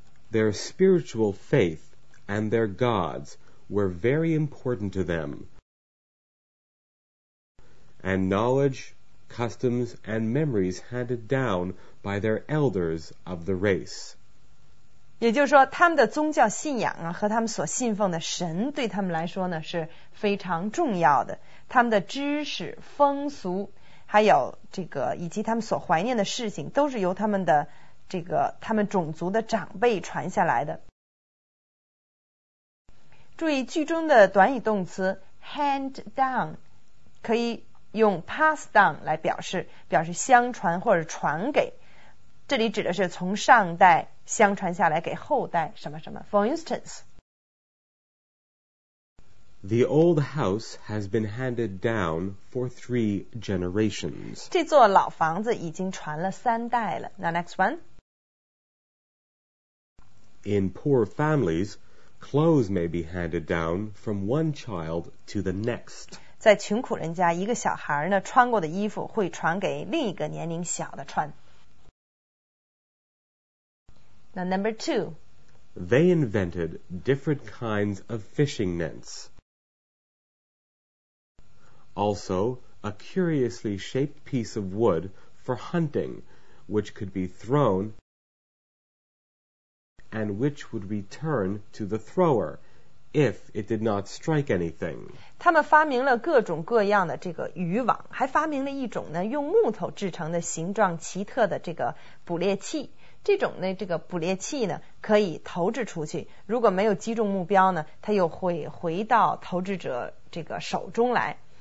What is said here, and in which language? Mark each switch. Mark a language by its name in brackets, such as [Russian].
[English] Their spiritual faith and their gods were very important to them. And knowledge, customs, and memories handed down by their elders of the race. [Chinese] 也就是说，他们的宗教信仰啊，和他们所信奉的神对他们来说呢是非常重要的。他们的知识、风俗，还有这个以及他们所怀念的事情，都是由他们的这个他们种族的长辈传下来的。注意句中的短语动词 hand down， 可以用 pass down 来表示相传或者传给。这里指的是从上代相传下来给后代什么什么。 [English] For instance, The old house has been handed down for 3 generations. [Chinese] 这座老房子已经传了三代了。 [English] Now next one. In poor families, clothes may be handed down from one child to the next. [Chinese] 在穷苦人家，一个小孩呢，穿过的衣服会传给另一个年龄小的穿。 [English] Now, number 2. They invented different kinds of fishing nets. Also, a curiously shaped piece of wood for hunting, which could be thrown and which would return to the thrower if it did not strike anything. [Chinese] 他们发明了各种各样的这个渔网，还发明了一种呢用木头制成的形状奇特的这个捕猎器。这种呢，这个捕猎器呢，可以投掷出去。如果没有击中目标呢，它又会回到投掷者这个手中来。